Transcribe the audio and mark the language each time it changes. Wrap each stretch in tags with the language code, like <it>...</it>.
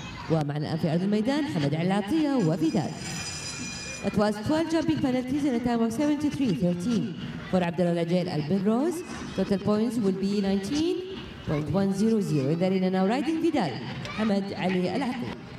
<ar>ومعنا الآن في أرض الميدان حمد العاطية وفيداد.</ar> <en>It was 12 jumping penalties in a time of 73.13 for عبدالله العجيل البنروز. Total points will be 19.100. إذا رينا now riding فيداد حمد علي العاطية.</en>